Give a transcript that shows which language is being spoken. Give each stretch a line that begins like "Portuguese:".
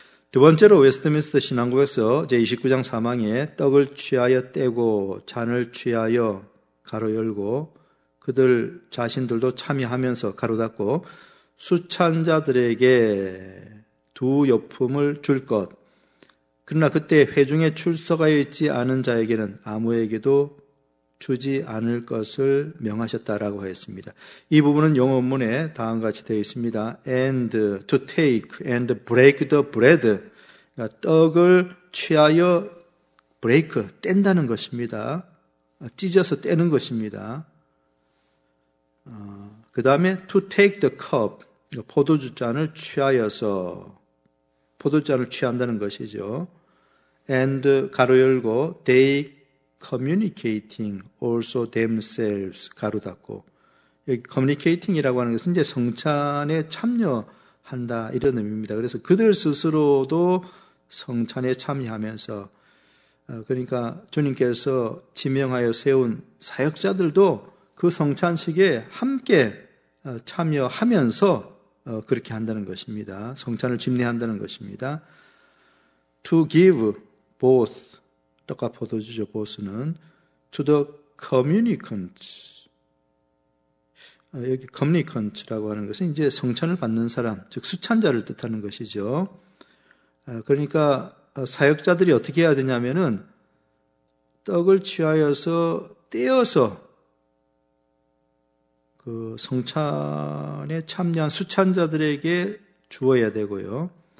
Korean: 두 번째로 웨스트민스터 신앙고백서 제29장 3항에 떡을 취하여 떼고 잔을 취하여 가로 열고 그들 자신들도 참여하면서 가로 닫고 수찬자들에게 두 여품을 줄 것. 그러나 그때 회중에 출석하여 있지 않은 자에게는 아무에게도 주지 않을 것을 명하셨다라고 하였습니다. 이 부분은 영어문에 다음과 같이 되어 있습니다.
English: And to take and break the bread.
Korean: 그러니까 떡을 취하여 break, 뗀다는 것입니다. 찢어서 떼는 것입니다. 그 다음에
English: to take the cup,
Korean: 포도주 잔을 취하여서 포도주 잔을 취한다는 것이죠. And 가로 열고
English: they communicating also themselves
Korean: 가로 닫고 여기 communicating이라고 하는 것은 이제 성찬에 참여한다 이런 의미입니다. 그래서 그들 스스로도 성찬에 참여하면서 그러니까 주님께서 지명하여 세운 사역자들도 그 성찬식에 함께 참여하면서 그렇게 한다는 것입니다. 성찬을 집례한다는 것입니다.
English: To give both, 떡과포도주죠. Both는 to the communicants.
Korean: 여기 communicants라고 하는 것은 이제 성찬을 받는 사람, 즉 수찬자를 뜻하는 것이죠. 그러니까 사역자들이 어떻게 해야 되냐면은 떡을 취하여서 떼어서 그 성찬에 참여한 수찬자들에게 주어야 되고요.